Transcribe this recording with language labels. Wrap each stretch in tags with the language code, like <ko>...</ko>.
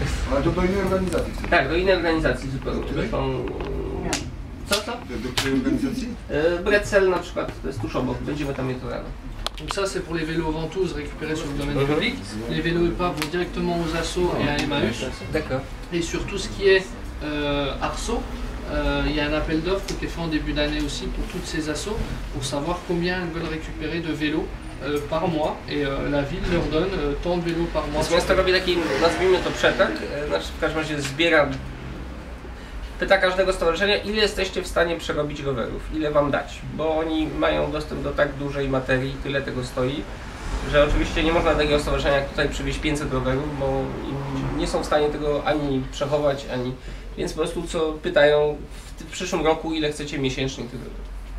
<pl>ale to do innej organizacji. Tak, do innej organizacji zupełnie. Są... Co? Do której organizacji? Bretzel na przykład, to jest tuż obok, będziemy tam jutro rano.</pl> <fr>Donc ça c'est pour les vélos ventouses récupérés sur le domaine public. Les vélos EPAV vont directement aux ASSO et à Emmaüs. D'accord. Et sur tout ce qui est ARSO, il y a un appel d'offres qui est fait en début d'année aussi pour toutes ces ASSO pour savoir combien elles veulent récupérer de vélos par mois et la ville leur donne tant de vélos par mois.</fr> <pl>Miasto robi taki, nazwijmy to przetarg, znaczy w każdym razie zbiera, pyta każdego stowarzyszenia, ile jesteście w stanie przerobić rowerów, ile wam dać, bo oni mają dostęp do tak dużej materii, tyle tego stoi, że oczywiście nie można takiego stowarzyszenia tutaj przywieźć 500 rowerów, bo nie są w stanie tego ani przechować, ani, więc po prostu co pytają w przyszłym roku, ile chcecie miesięcznie tych rowerów.</pl>